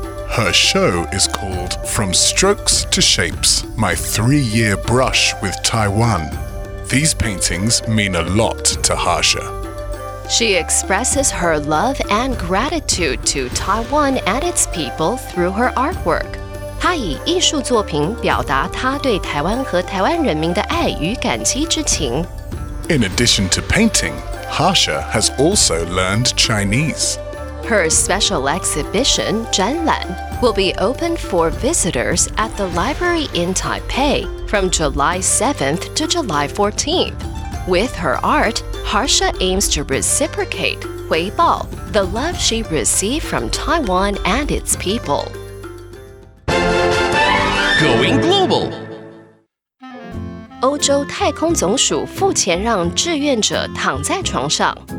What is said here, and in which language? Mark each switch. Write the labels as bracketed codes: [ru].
[en] Her show is called From Strokes to Shapes, My 3-Year Brush with Taiwan. These paintings mean a lot to Harsha. She expresses her love and gratitude to Taiwan and its people through her artwork. [zh] 她以艺术作品表达她对台湾和台湾人民的爱与感激之情。 [en] In addition to painting, Harsha has also learned Chinese. Her special exhibition, 展览, will be open for visitors at the library in Taipei from July 7th to July 14th. With her art,Harsha aims to reciprocate, 回报, the love she received from Taiwan and its people. Going global. [zh] 欧洲太空总署付钱让志愿者躺在床上。